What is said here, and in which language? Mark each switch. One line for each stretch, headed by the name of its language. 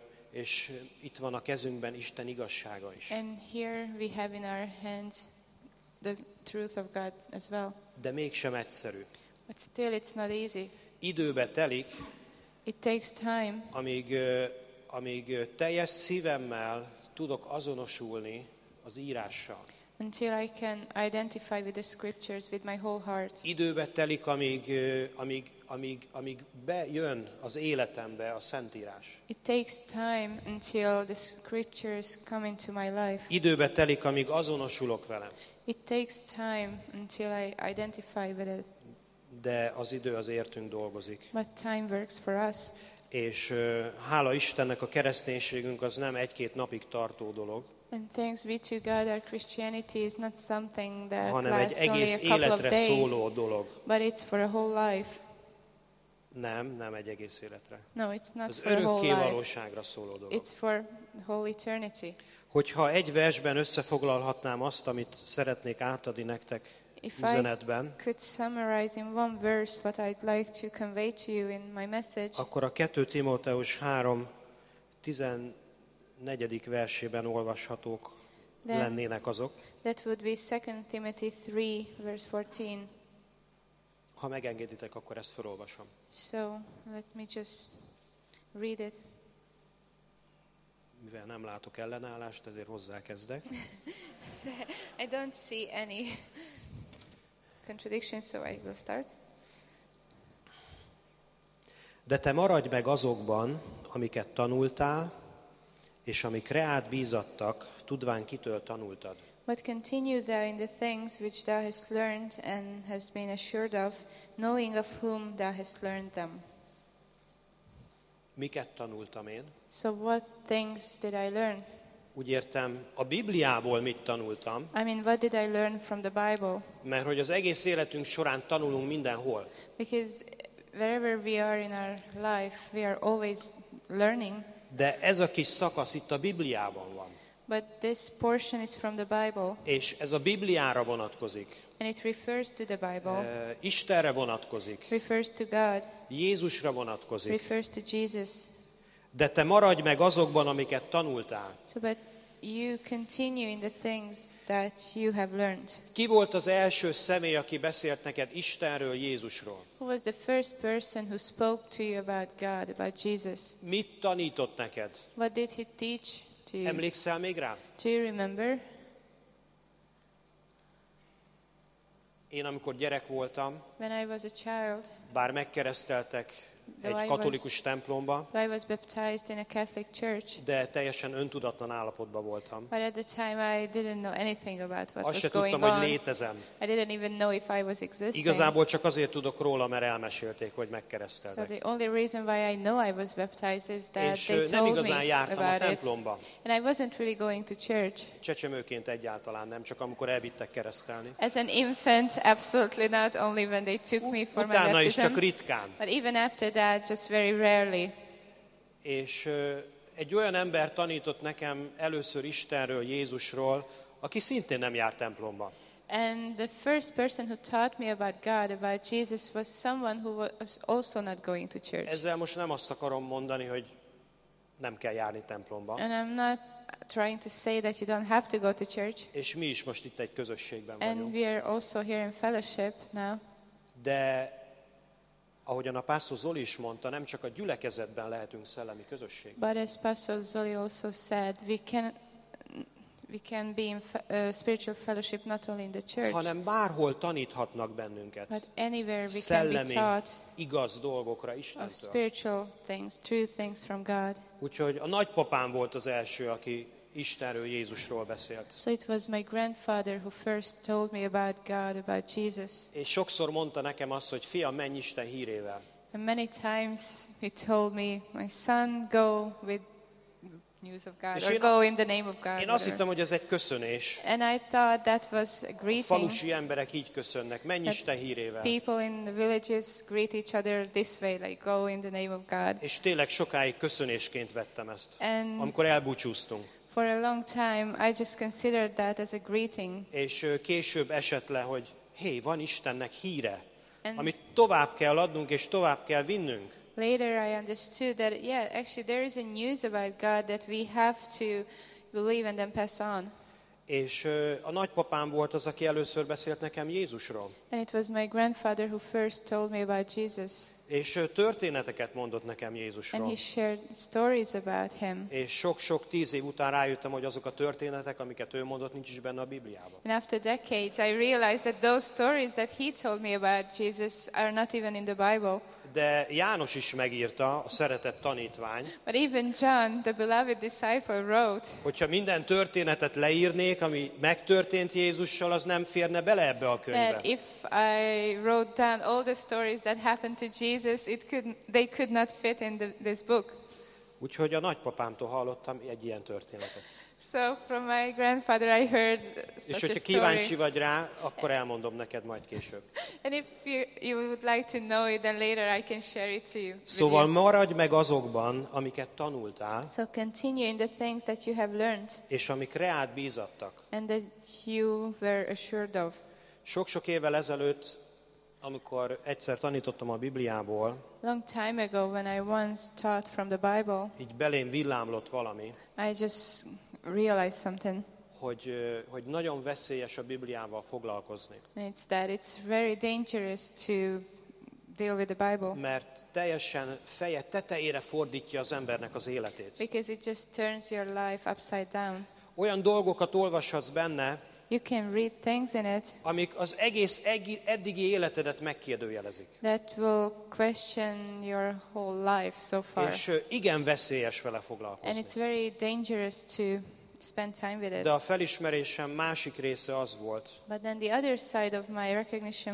Hungarian: És itt van a kezünkben Isten igazsága is.
English: And here we have in our hands the truth of God as well.
Hungarian: De mégsem egyszerű.
English: But still it's not easy.
Hungarian: Időbe telik.
English: It takes time.
Hungarian: Amíg teljes szívemmel tudok azonosulni az írással.
English: Until I can identify with the scriptures with my whole heart.
Hungarian: Időbe telik, amíg bejön az életembe a Szentírás.
English: It takes time until the scriptures come into my life.
Hungarian: Időbe telik, amíg azonosulok vele.
English: It takes time until I identify with it.
Hungarian: De az idő az értünk dolgozik.
English: But time works for us.
Hungarian: És hála Istennek a kereszténységünk az nem egy-két napig tartó dolog.
English: And thanks be to God, our Christianity is not something that lasts only a couple of days,
Hungarian: szóló dolog.
English: But it's for a whole life.
Hungarian: Nem egy egész életre.
English: No, it's not
Hungarian: az
English: for a whole life.
Hungarian: Az örökké valóságra szóló dolog.
English: It's for whole eternity.
Hungarian: Hogyha egy versben összefoglalhatnám azt, amit szeretnék átadni nektek üzenetben,
English: if I could summarize in one verse what I'd like to convey to you in my message,
Hungarian: akkor a 2 Timóteus 3:14. Versében olvashatók
English: then,
Hungarian: lennének azok.
English: That would be 2 Timothy 3, verse 14.
Hungarian: Ha megengeditek, akkor ezt felolvasom.
English: So, let me just read it.
Hungarian: Mivel nem látok ellenállást, ezért hozzákezdek.
English: I don't see any contradiction, so I will start.
Hungarian: De te maradj meg azokban, amiket tanultál, és amik reád bízattak, tudván kitől tanultad.
English: But continue thou in the things which thou hast learned and hast been assured of, knowing of whom thou hast learned them.
Hungarian: Miket tanultam én?
English: So what things did I learn?
Hungarian: Úgy értem, a Bibliából mit tanultam?
English: I mean, what did I learn from the Bible?
Hungarian: Mert hogy az egész életünk során tanulunk mindenhol.
English: Because wherever we are in our life, we are always learning.
Hungarian: De ez a kis szakasz itt a Bibliában van.
English: But this portion is from the Bible.
Hungarian: És ez a Bibliára vonatkozik.
English: And it refers to the Bible.
Hungarian: Istenre vonatkozik.
English: Refers to God.
Hungarian: Jézusra vonatkozik.
English: Refers to Jesus.
Hungarian: De te maradj meg azokban, amiket tanultál.
English: So, but you continue in the things that you have learned.
Hungarian: Ki volt az első személy, aki beszélt neked Istenről, Jézusról?
English: Who was the first person who spoke to you about God, about Jesus?
Hungarian: Mit tanított neked?
English: What did he teach?
Hungarian: Emlékszel még rá?
English: Do you remember?
Hungarian: Én amikor gyerek voltam,
English: when I was a child,
Hungarian: bár megkereszteltek egy katolikus templomba,
English: I was baptized in a Catholic church,
Hungarian: de teljesen öntudatlan állapotban voltam.
English: But at the time I didn't know anything about what
Hungarian: azt
English: was
Hungarian: tudtam,
English: going on.
Hungarian: Hogy létezem.
English: I didn't even know if I was existing.
Hungarian: Igazából csak azért tudok róla, mert elmesélték, hogy megkereszteltek.
English: So the only reason why I know I was baptized is that
Hungarian: és
English: they told
Hungarian: nem igazán
English: me
Hungarian: jártam
English: about
Hungarian: a templomba.
English: And I wasn't really going to church.
Hungarian: Csecsemőként egyáltalán nem, csak amikor elvittek keresztelni.
English: As an infant, absolutely not, only when they took me for
Hungarian: utána
English: my baptism.
Hungarian: Is csak ritkán.
English: But even after that, just very rarely.
Hungarian: És egy olyan ember tanított nekem először Istenről, Jézusról, aki szintén nem járt templomba.
English: And the first person who taught me about God, about Jesus, was someone who was also not going to church.
Hungarian: Ezzel most nem azt akarom mondani, hogy nem kell járni templomba.
English: And I'm not trying to say that you don't have to go to church.
Hungarian: És mi is most itt egy közösségben
English: and
Hungarian: vagyunk.
English: And we are also here in fellowship now.
Hungarian: De ahogyan a pásztor Zoli is mondta, nem csak a gyülekezetben lehetünk szellemi közösség.
English: But as Pastor Zoli also said, we can be in spiritual fellowship not only in the church.
Hungarian: Hanem bárhol taníthatnak bennünket.
English: But anywhere we
Hungarian: szellemi,
English: can be taught.
Hungarian: Igaz dolgokra Istentől.
English: Of spiritual things, true things from God.
Hungarian: Úgyhogy a nagypapám volt az első, aki Istenről, Jézusról beszélt.
English: So it was my grandfather who first told me about God, about Jesus.
Hungarian: És sokszor mondta nekem azt, hogy fia, menj Isten hírével.
English: And many times he told me, my son, go with news of God,
Hungarian: és
English: or go in the name of God.
Hungarian: Én azt hittem, hogy ez egy köszönés.
English: And I thought that was a greeting.
Hungarian: A falusi emberek így köszönnek, menj Isten hírével.
English: People in the villages greet each other this way, like go in the name of God.
Hungarian: És tényleg sokáig köszönésként vettem ezt.
English: And
Hungarian: amikor elbúcsúztunk.
English: For a long time I just considered that as a greeting.
Hungarian: És később esett le, hogy hé, van Istennek híre. amit tovább kell adnunk és tovább kell vinnünk.
English: Later I understood that yeah, actually there is a news about God that we have to believe and then pass on.
Hungarian: És a nagypapám volt az, aki először beszélt nekem Jézusról.
English: And it was my grandfather who first told me about Jesus.
Hungarian: És történeteket mondott nekem Jézusról.
English: And he shared stories about him.
Hungarian: És sok-sok tíz év után rájöttem, hogy azok a történetek, amiket ő mondott, nincs is benne a Bibliában.
English: And after decades I realized that those stories that he told me about Jesus are not even in the Bible.
Hungarian: De János is megírta, a szeretett tanítvány.
English: But even John, the beloved disciple, wrote.
Hungarian: Hogyha minden történetet leírnék, ami megtörtént Jézussal, az nem férne bele ebbe a könyvbe.
English: That if I wrote down all the stories that happened to Jesus, they could not fit in this book.
Hungarian: Úgyhogy a nagypapámtól hallottam egy ilyen történetet.
English: So from my grandfather I heard such a story.
Hungarian: És hogyha kíváncsi vagy rá, akkor elmondom neked majd később.
English: And if you would like to know it, then later I can share it to you.
Hungarian: Szóval maradj meg azokban, amiket tanultál.
English: So continue in the things that you have learned.
Hungarian: És amik reád bízattak.
English: And that you were assured of.
Hungarian: Sok-sok évvel ezelőtt, amikor egyszer tanítottam a Bibliából.
English: Long time ago when I once taught from the Bible.
Hungarian: Így belém villámlott valami.
English: I just realize something.
Hungarian: Hogy nagyon veszélyes a Bibliával foglalkozni.
English: It's that it's very dangerous to deal with the Bible.
Hungarian: Mert teljesen feje tetejére fordítja az embernek az életét.
English: Because it just turns your life upside down.
Hungarian: Olyan dolgokat olvashatsz benne.
English: You can read things in it.
Hungarian: Amik az egész eddigi életedet megkérdőjelezik.
English: That will question your whole life so far.
Hungarian: És igen veszélyes vele foglalkozni.
English: And it's very dangerous to spend time with it.
Hungarian: De a felismerésem másik része az volt.
English: But then the other side of my recognition